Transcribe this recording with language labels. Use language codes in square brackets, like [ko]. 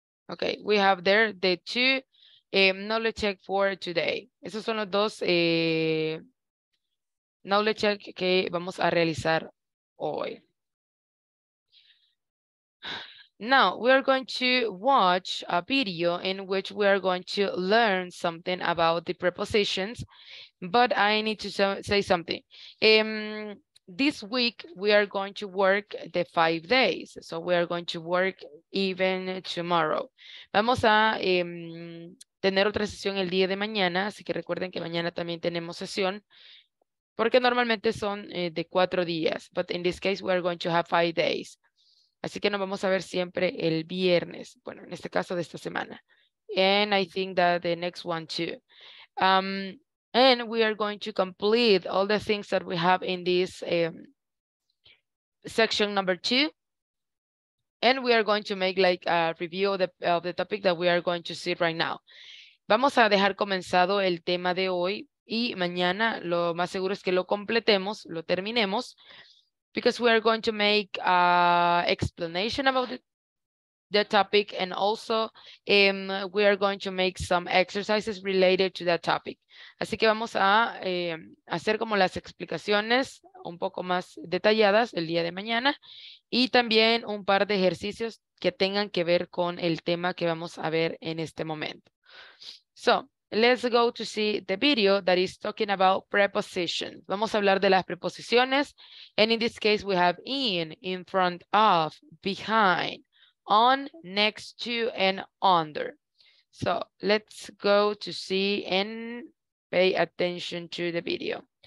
[en] Okay, we have there the 2 knowledge check for today. [es] Esos son los 2 knowledge check que vamos a realizar hoy. [en] Now, we are going to watch a video in which we are going to learn something about the prepositions. But I need to say something. This week, we are going to work the 5 days. So we are going to work even tomorrow. [es] Vamos a tener otra sesión el día de mañana. Así que recuerden que mañana también tenemos sesión. Porque normalmente son de 4 días. [en] But in this case, we are going to have 5 days. [es] Así que nos vamos a ver siempre el viernes. Bueno, en este caso de esta semana. [en] And I think that the next one too. And we are going to complete all the things that we have in this section number 2. And we are going to make like a review of the topic that we are going to see right now. [es] Vamos a dejar comenzado el tema de hoy. Y mañana lo más seguro es que lo completemos, lo terminemos. [en] Because we are going to make an explanation about the topic. And also, we are going to make some exercises related to that topic. [es] Así que vamos a hacer como las explicaciones un poco más detalladas el día de mañana. Y también un par de ejercicios que tengan que ver con el tema que vamos a ver en este momento. So, [en] let's go to see the video that is talking about prepositions. [es] Vamos a hablar de las preposiciones. [en] And in this case, we have in front of, behind, on, next to, and under. So let's go to see and pay attention to the video.